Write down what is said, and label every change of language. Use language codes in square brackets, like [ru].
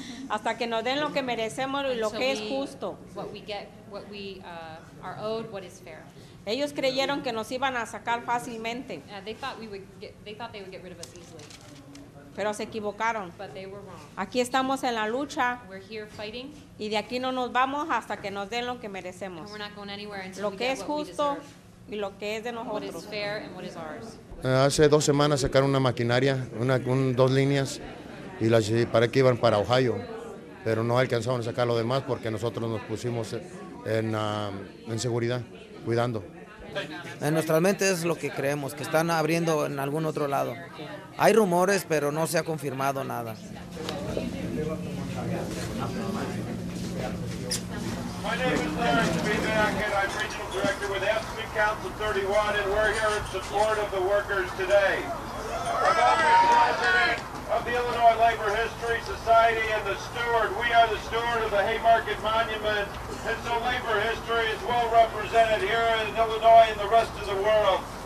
[es] Hasta que nos den lo que merecemos y lo que es justo. [en] What we get, what we are owed, what is fair. [es] Ellos creyeron que nos iban a sacar fácilmente. [en] They thought they would get rid of us easily. [es] Pero se equivocaron. [en] But they were wrong. [es] Aquí estamos en la lucha. [en] We're here fighting. [es] Y de aquí no nos vamos hasta que nos den lo que merecemos. [en] And we're not going anywhere until [es] lo [en] we [es] que [en] get [es] es justo y lo que es de nosotros. [en] What is fair and what is ours. [es] Hace dos semanas sacaron una maquinaria, dos líneas, y las para que iban para Ohio. Pero no alcanzaron a sacar lo demás porque nosotros nos pusimos en seguridad, cuidando. En nuestra mente es lo que creemos, que están abriendo en algún otro lado. Hay rumores, pero no se ha confirmado nada. [en] My name is Clarence Bidak, and I'm Regional Director with FC Council 31, and we're here in support of the workers today. About the president of the Illinois Labor History Society and the steward, we are the steward of the Haymarket Monument, and so labor history is well represented here in Illinois and the rest of the world.